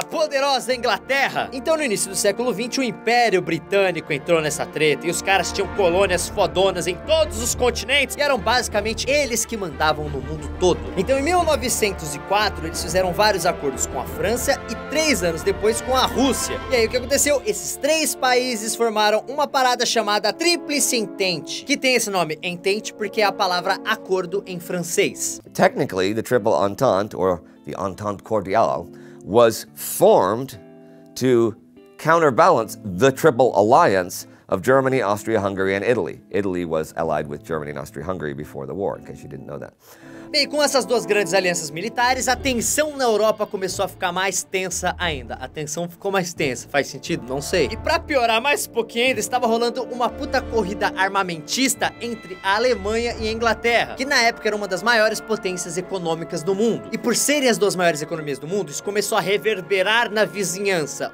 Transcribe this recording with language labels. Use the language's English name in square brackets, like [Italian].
[Portuguese] A poderosa Inglaterra. Então, no início do século XX, o Império Britânico entrou nessa treta e os caras tinham colônias fodonas em todos os continentes e eram basicamente eles que mandavam no mundo todo. Então, em 1904, eles fizeram vários acordos com a França e 3 anos depois com a Rússia. E aí, o que aconteceu? Esses três países formaram uma parada chamada Tríplice Entente, que tem esse nome, entente, porque é a palavra acordo em francês. [English] Technically, the Triple Entente, or the Entente Cordiale, was formed to counterbalance the Triple Alliance of Germany, Austria, Hungary, and Italy. Italy was allied with Germany and Austria-Hungary before the war, in case you didn't know that. [Portuguese] Bem, com essas duas grandes alianças militares, a tensão na Europa começou a ficar mais tensa ainda. A tensão ficou mais tensa. Faz sentido? Não sei. E pra piorar mais um pouquinho ainda, estava rolando uma puta corrida armamentista entre a Alemanha e a Inglaterra, que na época era uma das maiores potências econômicas do mundo. E por serem as duas maiores economias do mundo, isso começou a reverberar na vizinhança.